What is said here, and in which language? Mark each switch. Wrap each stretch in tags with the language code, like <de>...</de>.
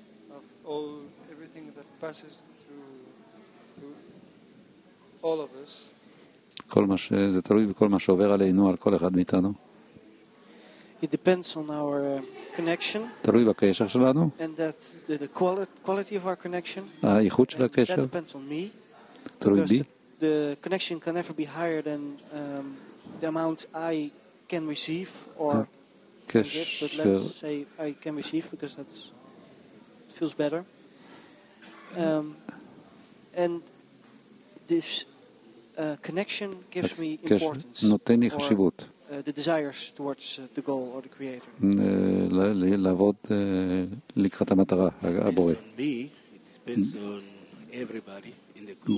<en>Of all everything that passes through all of us.</en> <he>כל מה שזה תלוי בכל מה שעובר עלינו, על כל אחד מאיתנו.</he> <en>It depends on our connection.</en> <he>תלוי בקשר שלנו.</he> <en>And that's the quality of our connection.</en> <he>האיכות של הקשר.</he> <en>That depends on me.</en> <he>תלוי בי.</he> <en>The connection can never be higher than the amount I can receive or</en> <he>קשר.</he> <en>Let's say I can receive because that's feels better. And this connection gives me importance.</en> <he>נותן לי חשיבות.</he> <en>The desires towards the goal or the creator.</en> <he>לעבוד לקראת המטרה, הבורא.</he> <en>It depends on everybody in the group.</en>